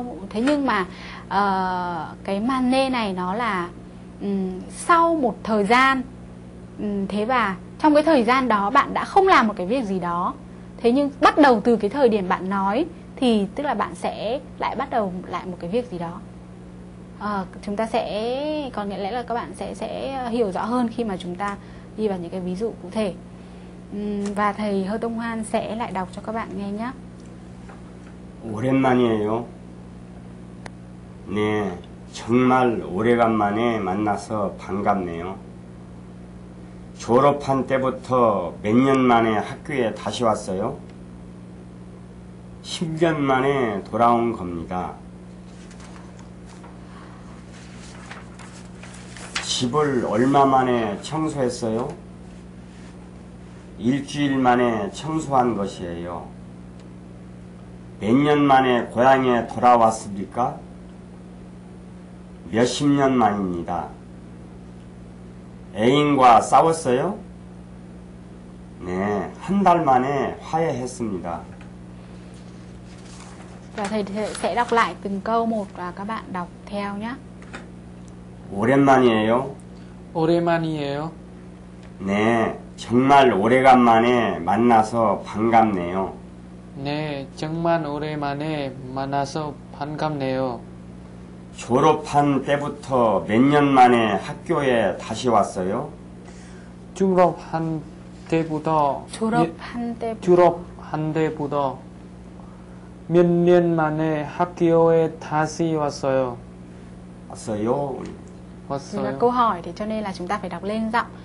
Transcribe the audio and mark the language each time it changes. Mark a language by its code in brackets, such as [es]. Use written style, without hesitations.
[vi] Thế nhưng mà cái man nê này nó là sau một thời gian, thế và trong cái thời gian đó bạn đã không làm một cái việc gì đó, thế nhưng bắt đầu từ cái thời điểm bạn nói thì tức là bạn sẽ lại bắt đầu lại một cái việc gì đó. Chúng ta sẽ, có nghĩa lẽ là các bạn sẽ hiểu rõ hơn khi mà chúng ta đi vào những cái ví dụ cụ thể. Và thầy Hơ Tông Hoan sẽ lại đọc cho các bạn nghe nhé. [ko] 오랜만이에요. 네, 정말 오래간만에 만나서 반갑네요. 졸업한 때부터 몇 년 만에 학교에 다시 왔어요? 10년 만에 돌아온 겁니다. 집을 얼마 만에 청소했어요? 일주일 만에 청소한 것이에요. 몇 년 만에 고향에 돌아왔습니까? 몇십 년 만입니다. 애인과 싸웠어요? 네, 한 달 만에 화해했습니다. [vi] Thầy sẽ đọc lại từng câu một và các bạn đọc theo nhé. [ko] 오랜만이에요. 오랜만이에요. 네, 정말 오래간만에 만나서 반갑네요. 네, 정말 오랜만에 만나서 반갑네요. 졸업한 때부터 몇 년 만에 학교에 다시 왔어요? 졸업한 때부터 졸업한 때부터 졸업한 때부터 몇 년 만에 학교에 다시 왔어요? 왔어요. 왔어요. [vi] 그러니까 câu hỏi thì cho nên là chúng ta phải đọc lên giọng.